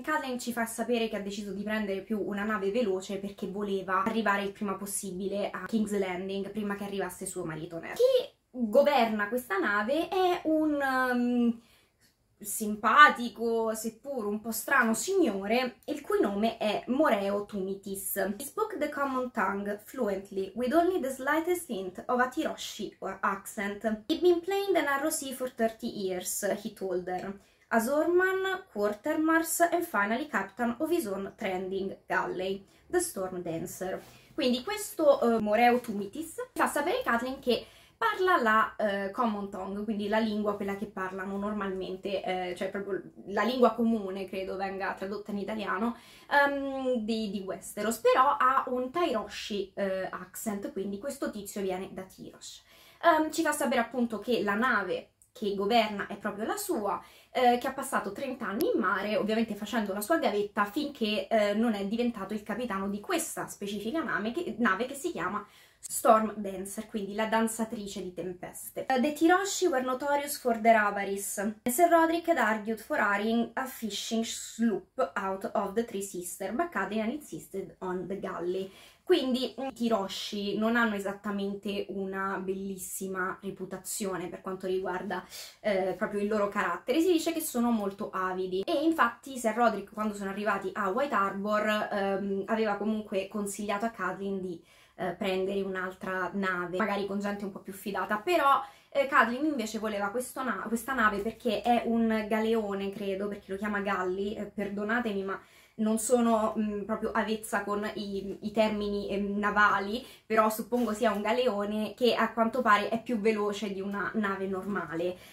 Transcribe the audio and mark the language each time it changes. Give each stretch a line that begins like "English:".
Italian: Catelyn ci fa sapere che ha deciso di prendere più una nave veloce perché voleva arrivare il prima possibile a King's Landing prima che arrivasse suo marito Ned. Chi governa questa nave è un simpatico, seppur un po' strano signore, il cui nome è Moreo Tumitis.
English: He spoke the common tongue fluently, with only the slightest hint of a Tiroshi accent. He'd been playing the narrow sea for 30 years, he told her. As oarman, quartermaster, and finally captain of his own trending galley, the Storm Dancer.
Italian: Quindi questo Moreo Tumitis fa sapere Catelyn che parla la common tongue, quindi la lingua quella che parlano normalmente, cioè proprio la lingua comune, credo venga tradotta in italiano, di Westeros, però ha un Tyroshi accent, quindi questo tizio viene da Tirosh. Ci fa sapere appunto che la nave che governa è proprio la sua, che ha passato 30 anni in mare, ovviamente facendo la sua gavetta, finché non è diventato il capitano di questa specifica nave che si chiama Storm Dancer, quindi la danzatrice di tempeste.
English: The Tiroshi were notorious for their avarice. Ser Roderick had argued for hiring a fishing sloop out of the Three Sisters, but Catelyn insisted on the galley.
Italian: Quindi i Tiroshi non hanno esattamente una bellissima reputazione per quanto riguarda proprio il loro carattere. Si dice che sono molto avidi. E infatti Ser Roderick, quando sono arrivati a White Harbor, aveva comunque consigliato a Catelyn di prendere un'altra nave, magari con gente un po' più fidata, però Catelyn invece voleva questa nave perché è un galeone, credo, perché lo chiama galley, perdonatemi, ma non sono proprio avvezza con i termini navali, però suppongo sia un galeone che a quanto pare è più veloce di una nave normale.